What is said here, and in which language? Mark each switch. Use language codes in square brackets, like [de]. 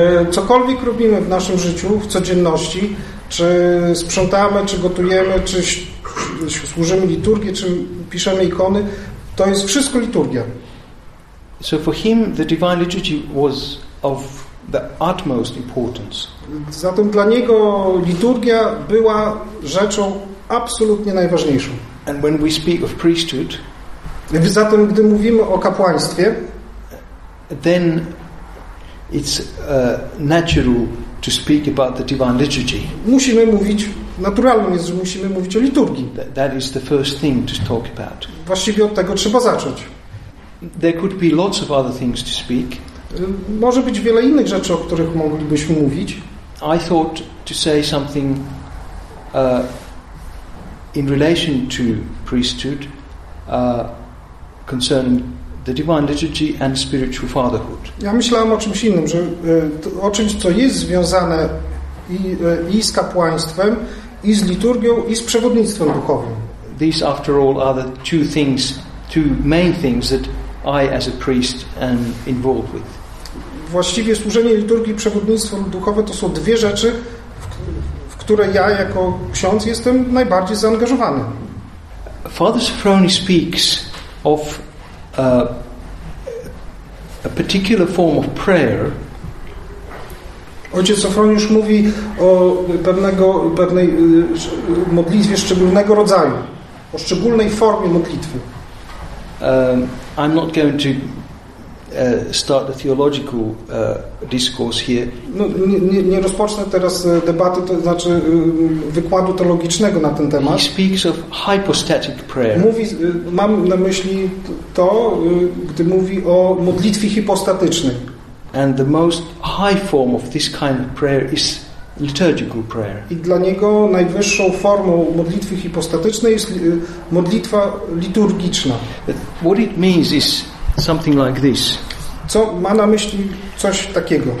[pl] Cokolwiek robimy w naszym życiu, w codzienności, czy sprzątamy, czy gotujemy, czy służymy liturgię, czy piszemy ikony, to jest wszystko liturgia. [en] So for him the divine liturgy was of the utmost importance. [pl] Zatem dla niego liturgia była rzeczą absolutnie najważniejszą. [en] And when we speak of priesthood, [pl] zatem gdy mówimy o kapłaństwie, [en] then it's natural to speak about the divine liturgy. [pl] Musimy mówić, naturalnym jest, że musimy mówić o liturgii. [en] That is the first thing to talk about. [pl] Właściwie od tego trzeba zacząć. [en] There could be lots of other things to speak. [pl] Może być wiele innych rzeczy, o których moglibyśmy mówić. [en] I thought to say something in relation to priesthood, concerning the divine liturgy and spiritual fatherhood. [pl] Ja myślałem o czymś innym, że o czymś, co jest związane i z kapłaństwem, i z liturgią, i z przewodnictwem duchowym. [en] These, after all, are the two things, two main things that I, as a priest, am involved with. [pl] Właściwie służenie liturgii i przewodnictwo duchowe to są dwie rzeczy, które ja jako ksiądz jestem najbardziej zaangażowany. [en] Father Sofroni speaks of a particular form of prayer. [pl] Ojciec Sofroni już mówi o pewnej modlitwie szczególnego rodzaju, o szczególnej formie modlitwy. [en] I'm not going to start a theological discourse here. [pl] No, nie rozpocznę teraz debaty, to znaczy wykładu teologicznego na ten temat. [en] He speaks of hypostatic prayer. [pl] Mówi, mam na myśli to, gdy mówi o modlitwie hipostatycznej. [en] And the most high form of this kind of prayer is liturgical prayer. [pl] I dla niego najwyższą formą modlitwy hipostatycznej jest modlitwa liturgiczna. [en] What it means is something like this. [pl] Co ma na myśli coś takiego?